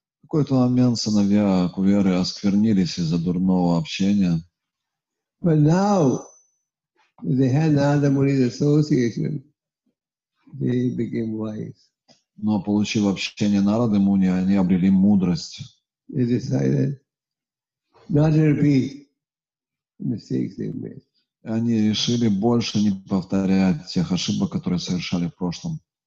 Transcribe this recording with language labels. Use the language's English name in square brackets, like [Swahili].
[Russian] В какой-то момент сыновья Куверы осквернились из-за дурного общения. [English] But now they had Narada Muni's association, they became wise. [Russian] Но получив общение Нарады Муни, они обрели мудрость. [English] They decided not to repeat the mistakes they made. [Russian] Они решили больше не повторять тех ошибок, которые совершали в прошлом.